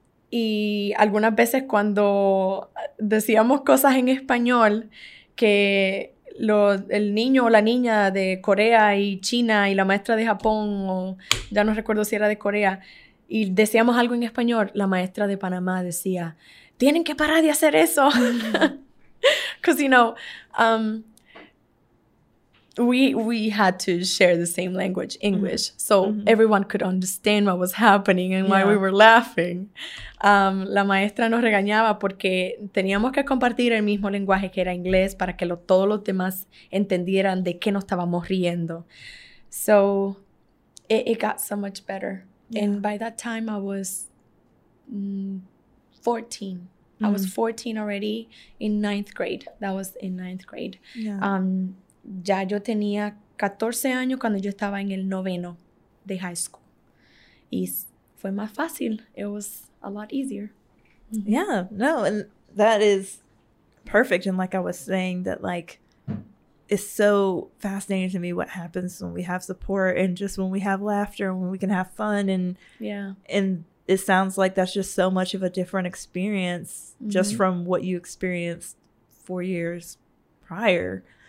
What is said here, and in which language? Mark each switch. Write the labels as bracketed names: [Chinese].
[Spanish] Y algunas veces cuando decíamos cosas en español que el niño o la niña de Corea y China y la maestra de Japón, o ya no recuerdo si era de Corea, y decíamos algo en español, la maestra de Panamá decía, tienen que parar de hacer eso. [English] Because, you know, we had to share the same language, English, mm-hmm. so mm-hmm. everyone could understand what was happening and why yeah. we were laughing. [Spanish] La maestra nos regañaba porque teníamos que compartir el mismo lenguaje que era inglés para que todos los demás entendieran de qué nos estábamos riendo. [English] So it got so much better. Yeah. And by that time, I was 14. Mm-hmm. I was 14 already in ninth grade. That was in ninth grade. Yeah. [Spanish] Ya yo tenía 14 años cuando yo estaba en el noveno de high school. Y fue más fácil. [English] It was a lot easier. Mm-hmm. Yeah, no, and that is perfect. And like I was saying, that like, it's so fascinating to me what happens when we have support and just when we have laughter and when we can have fun. And and it sounds like that's just so much of a different experience just from what you experienced 4 years prior.